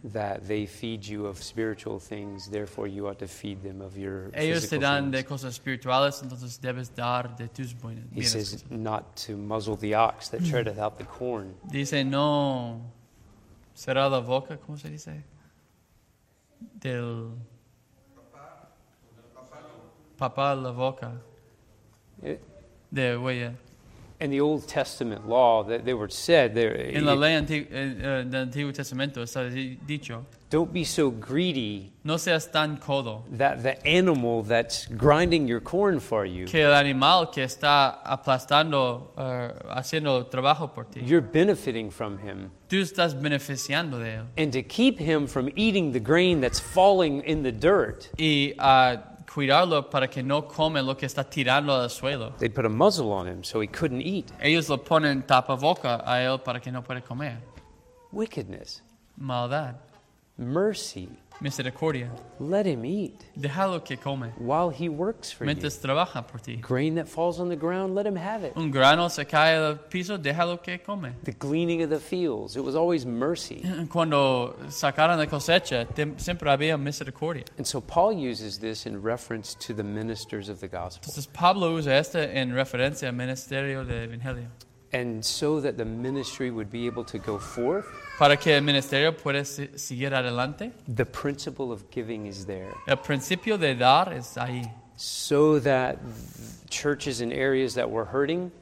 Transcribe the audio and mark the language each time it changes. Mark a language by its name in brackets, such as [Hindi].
[English] that they feed you of spiritual things, therefore you ought to feed them of your [Spanish] ellos [English] physical [Spanish] te dan [English] things. [Spanish] De cosas espirituales, entonces debes dar de tus buenas. [English] He says not to muzzle the ox that treadeth out the corn. [Spanish] Dice no cerrar la boca, ¿cómo se dice? Del papá la boca de huella. [English] In the Old Testament law, that they were said there. [Spanish] In la ley del Antiguo Testamento está dicho. [English] Don't be so greedy. [Spanish] No seas tan codo. [English] That the animal that's grinding your corn for you. [Spanish] Que el animal que está aplastando, haciendo trabajo por ti. [English] You're benefiting from him. [Spanish] Tú estás beneficiando de él. [English] And to keep him from eating the grain that's falling in the dirt. [Spanish] Y cuidarlo para que no come lo que está tirando al suelo. [English] They put a muzzle on him so he couldn't eat. [Spanish] Ellos lo ponen tapaboca a él para que no pueda comer. [English] Wickedness. [Spanish] Maldad. [English] Mercy. [Spanish] Misericordia. [English] Let him eat. [Spanish] Déjalo que come. [English] While he works for [Spanish] mientras [English] you. [Spanish] Trabaja por ti. [English] Grain that falls on the ground, let him have it. [Spanish] Un grano se cae al piso, déjalo que come. [English] The gleaning of the fields, it was always mercy. [Spanish] Cuando sacaron la cosecha, siempre había misericordia. [English] And so Paul uses this in reference to the ministers of the gospel. [Spanish] Entonces Pablo usa esto en referencia al ministerio del evangelio. [English] And so that the ministry would be able to go forth. [Spanish] Para que el ministerio pueda seguir adelante. [English] The principle of giving is there. [Spanish] El principio de dar es ahí. [English] So that churches in areas that were hurting.